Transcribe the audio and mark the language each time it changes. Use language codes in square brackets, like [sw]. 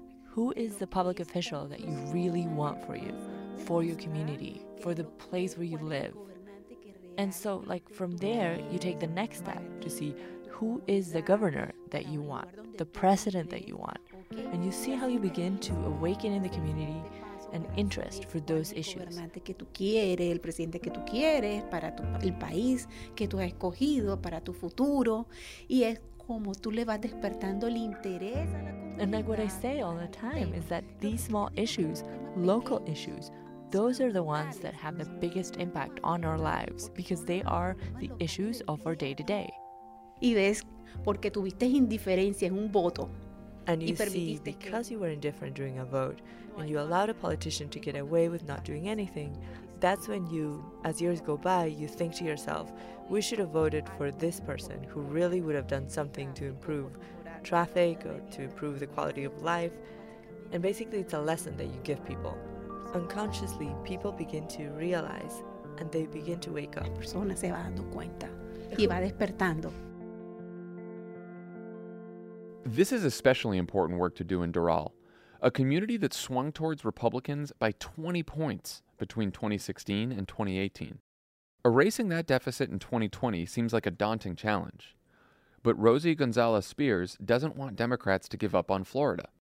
[en] Who is the public official that you really want for you, for your community, for the place where you live? And so, like, from there, you take the next step to see who is the governor that you want, the president that you want. And you see how you begin to awaken in the community an interest for those issues. [es] Gobernante que tú quieres, el presidente que tú quieres para tu el país que tú has escogido para tu futuro, y es como tú le vas despertando el interés a la comunidad. [en] And like what I say all the time is that these small issues, local issues, those are the ones that have the biggest impact on our lives because they are the issues of our day to day. [es] Y ves porque tuviste indiferencia en un voto. [en] And you see, because you were indifferent during a vote and you allowed a politician to get away with not doing anything, that's when you, as years go by, you think to yourself, we should have voted for this person who really would have done something to improve traffic or to improve the quality of life. And basically, it's a lesson that you give people. Unconsciously, people begin to realize and they begin to wake up. [es] La persona se va dando cuenta y va despertando. [en] This is especially important work to do in Doral, a community that swung towards Republicans by 20 points between 2016 and 2018. Erasing that deficit in 2020 seems like a daunting challenge. But Rosie Gonzalez-Spears doesn't want Democrats to give up on Florida.